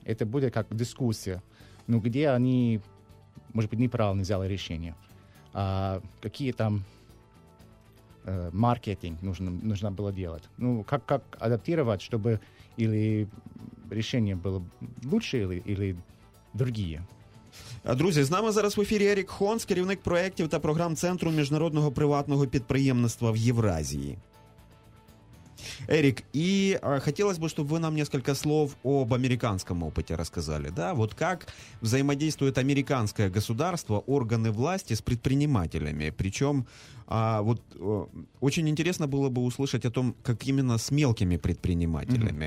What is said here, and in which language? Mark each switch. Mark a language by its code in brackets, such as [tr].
[ru] Это будет как дискуссия. Ну, где они, может быть, неправильно взяли решение. А какие там маркетинг нужно было делать. Ну, как адаптировать, чтобы или решение было лучше, или другие. [uk] Друзі, з нами зараз в ефірі Ерік Хонс, керівник проєктів та програм Центру міжнародного приватного підприємництва в Євразії. [ru] Эрик, и хотелось бы, чтобы вы нам несколько слов об американском опыте рассказали. Да, вот как взаимодействует американское государство, органы власти с предпринимателями. Причем вот очень интересно было бы услышать о том, как именно с мелкими предпринимателями.